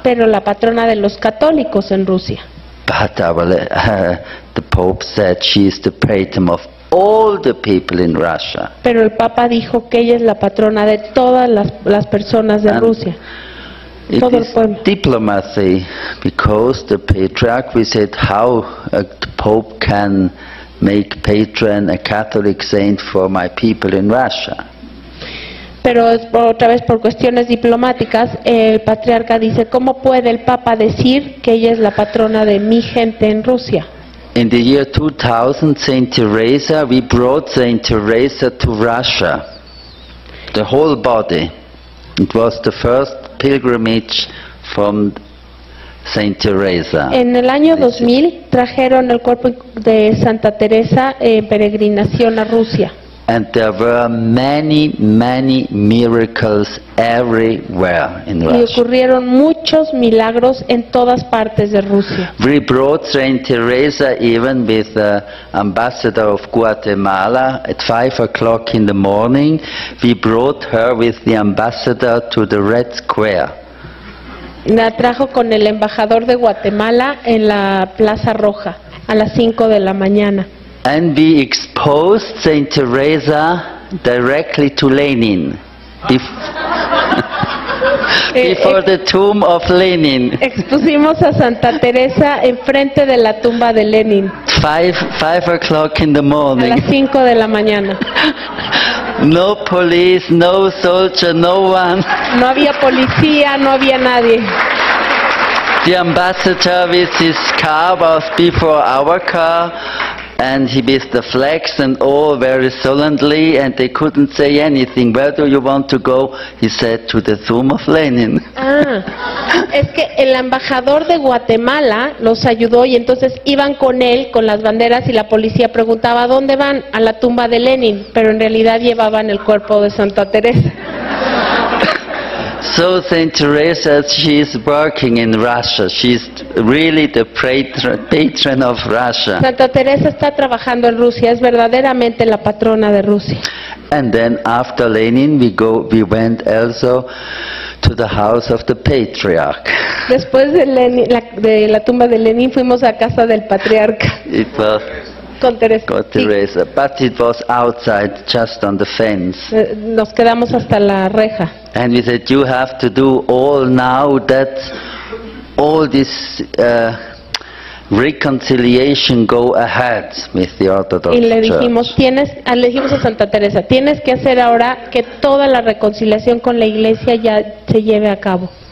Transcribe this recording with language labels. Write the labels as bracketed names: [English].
[Spanish] Pero la patrona de los católicos en Rusia. [English] But the Pope said she is the patron of all the people in Russia. [Spanish] Pero el Papa dijo que ella es la patrona de todas las personas de Rusia. [English] It is diplomacy, because the patriarch, we said, how the Pope can make patron a Catholic saint for my people in Russia. [Spanish] Pero otra vez por cuestiones diplomáticas, el patriarca dice, ¿cómo puede el Papa decir que ella es la patrona de mi gente en Rusia? [English] In the year 2000, Saint Teresa, we brought Saint Teresa to Russia, the whole body. It was the first pilgrimage from Saint Teresa. [Spanish] En el año 2000 trajeron el cuerpo de Santa Teresa en peregrinación a Rusia. [English] And there were many, many miracles everywhere in Russia. [Spanish] Y ocurrieron muchos milagros en todas partes de Rusia. [English] We brought Saint Teresa even with the ambassador of Guatemala at 5 o'clock in the morning. We brought her with the ambassador to the Red Square. [Spanish] La trajo con el embajador de Guatemala en la Plaza Roja a las 5 de la mañana. [English] And we exposed Saint Teresa directly to Lenin, before the tomb of Lenin. [Spanish] Expusimos a Santa Teresa en frente de la tumba de Lenin. [English] Five o'clock in the morning. [Spanish] A las 5 de la mañana. [English] No police, no soldier, no one. [Spanish] No había policía, no había nadie. [English] The ambassador with his car was before our car. And he with the flags and all very solemnly, and they couldn't say anything. Where do you want to go? He said, to the tomb of Lenin. [Spanish] Es que el embajador de Guatemala los ayudó y entonces iban con él con las banderas y la policía preguntaba, ¿dónde van? A la tumba de Lenin, pero en realidad llevaban el cuerpo de Santa Teresa. [English] So Saint Teresa, she is working in Russia. She's really the patron of Russia. [Spanish] Santa Teresa está trabajando en Rusia. Es verdaderamente la patrona de Rusia. [English] And then after Lenin, we went also to the house of the patriarch. [Spanish] Después de Lenin, de la tumba de Lenin, fuimos a casa del patriarca. [English] It was [Spanish] con Teresa. Con Teresa. Sí. [English] But it was outside, just on the fence. [Spanish] Nos quedamos hasta la reja. [English] And we said, you have to do all now that all this reconciliation go ahead with the Orthodox Church. [Spanish] Y le dijimos a Santa Teresa, tienes que hacer ahora que toda la reconciliación con la Iglesia ya se lleve a cabo.